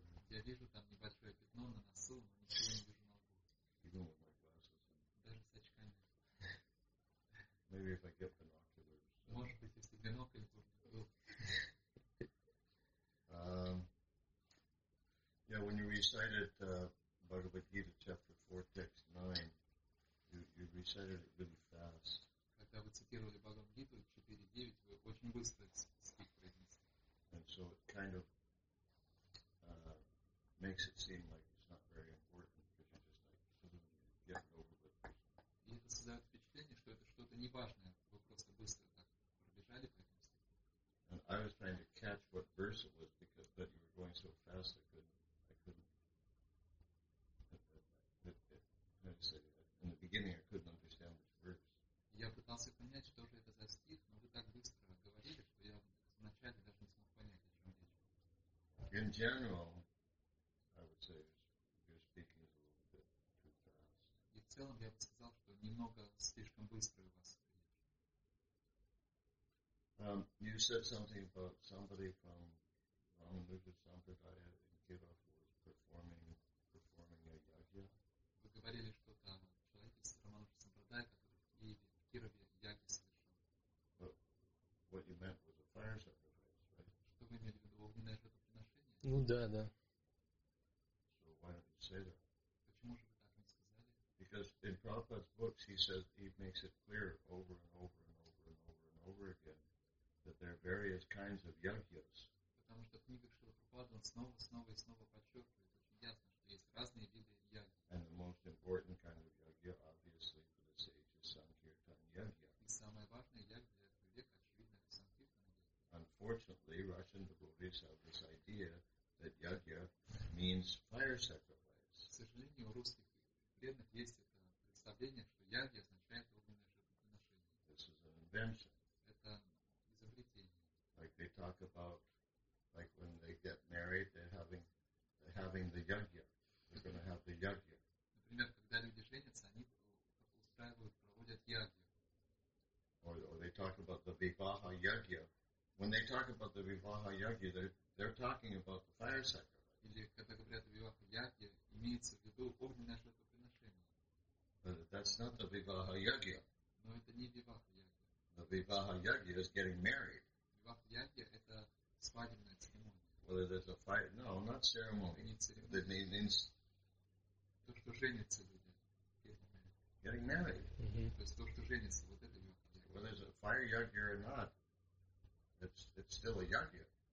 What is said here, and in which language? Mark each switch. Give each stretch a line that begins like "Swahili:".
Russian: Я вижу там небольшое пятно на носу, но ничего не вижу на лбу. Даже с очками.
English: Maybe if I get binoculars.
Russian: Может быть, если бинокль будет.
English: Yeah, when you recited Bhagavad Gita chapter 4, text 9, you recited it really fast.
Russian: Когда вы цитировали Бхагавад Гиту 4.9, вы очень быстро стих произнесли.
English: And so it kind of makes it seem like it's not very important because you're just like get over with.
Russian: И это создает впечатление, что это что-то неважное. Вы просто быстро так пробежали по этому стиху.
English: And I was trying to catch what verse it was because that you were going so fast I couldn't understand which verse.
Russian: Я пытался понять, что же это за стих, но вы так быстро говорили, что я вначале даже не смог понять, о чем речь.
English: In general, I would say your speaking is a little bit too fast.
Russian: И в целом я бы сказал, что немного слишком быстро у вас.
English: You said something about somebody from Ramanuja Sampradaya in Kirov was performing a yagya.
Russian: Вы говорили что-то о человеке из Рамануджа Сампрадая, который в Кирове ягья совершил.
English: But what you meant was a fire sacrifice, right?
Russian: Что вы имели в виду, огненное жертвоприношение? Ну да, да.
English: Why don't you say that?
Russian: Почему же вы так не сказали?
English: Because in Prabhupada's books he says he makes it clear over and over and over and over and over again that there are various kinds of yagyas.
Russian: Потому что в книгах Шрила Прабхупады он снова, снова и снова подчеркивает очень ясно, что есть разные виды яги.
English: And the most important kind of yagya, obviously, for the sage is Sankirtan yagya.
Russian: И самое важное ягья для этого века, очевидно, это Sankirtan yagya.
English: Unfortunately, Russian devotees have this idea that yagya means fire sacrifice.
Russian: К сожалению, у русских преданных есть это представление, что ягья означает огненное жертвоприношение.
English: This is an invention.
Russian: Это изобретение.
English: Like they talk about, like when they get married, they're having the yagya. They're going to have the yagya.
Russian: Например, когда люди женятся, они устраивают, проводят ягью.
English: Or they talk about the vivaha yagya. When they talk about the vivaha yagya, they're talking about the fire sacrifice.
Russian: Или когда говорят о вивахе ягья, имеется в виду огненное жертвоприношение.
English: But that's not the vivaha yagya.
Russian: Но это не вивахе ягья.
English: The vivaha yagya is getting married.
Russian: Вивахе ягья это свадебная церемония.
English: Whether there's a fire, no, not ceremony.
Russian: Не церемония.
English: It means
Russian: то, что женятся люди.
English: Getting married. Mm-hmm.
Russian: То есть то, что женится, вот это вивахе ягья.
English: Whether there's a fire yagya or not, it's still a yagya.